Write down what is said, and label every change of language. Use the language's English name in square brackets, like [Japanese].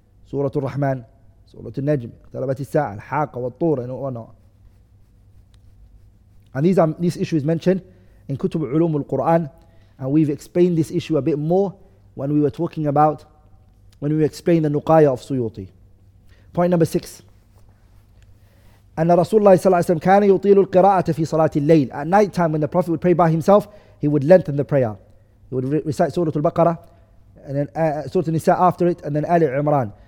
[English] Surah Al-Rahman, Surah Al-Najm, Talabat Al-Sa'a, Al-Haqa, Al-Tur, and whatnot. And this issue is mentioned in Kutub Ulum Al-Quran, and we've explained this issue a bit more when we were talking about, when we explained the Nuqaya of Suyuti. Point number six. [Arabic] أن رسول الله صلى الله عليه وسلم كان يطيل القراءة في صلاة الليل. [English] At night time, when the Prophet would pray by himself, he would lengthen the prayer. He would recite Surah Al-Baqarah, and then Surah Al-Nisa after it, and then Ali Imran.